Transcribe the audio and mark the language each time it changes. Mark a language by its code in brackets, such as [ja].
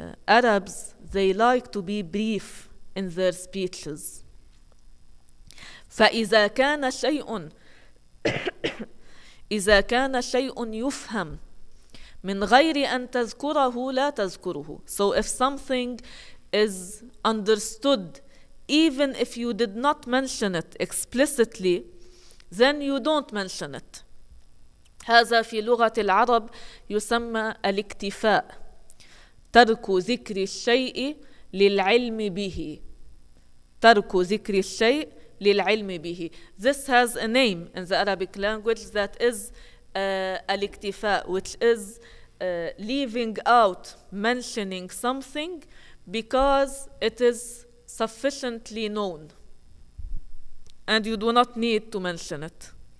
[en] Arabs, they like to be brief in their speeches. [ar] فإذا كان شيء إذا كان شيء يفهم من غير أن تذكره لا تذكره. [en] So if something is understood, even if you did not mention it explicitly, then you don't mention it. [ar] هذا في لغة العرب يسمى الاكتفاء, ترك ذكر الشيء للعلم به. ترك ذكر الشيء للعلم به. [en] This has a name in the Arabic language that is الاكتفاء, which is leaving out mentioning something because it is sufficiently known and you do not need to mention it.